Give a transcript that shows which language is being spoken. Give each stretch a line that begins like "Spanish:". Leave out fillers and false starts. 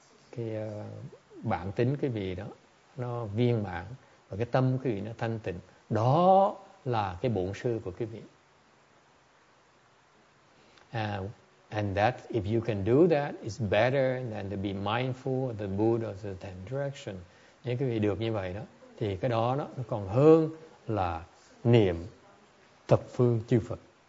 Vietnamese: Cái bản tính cái vị đó nó viên mãn và cái tâm cái vị nó thanh tịnh, đó là cái bổn sư của cái vị.
English: And that, if you can do that, is better than to be mindful of the Buddha or the Ten Directions.
Vietnamese: Nếu quý vị được như vậy đó, thì cái đó đó nó còn hơn là niệm thập phương chư Phật.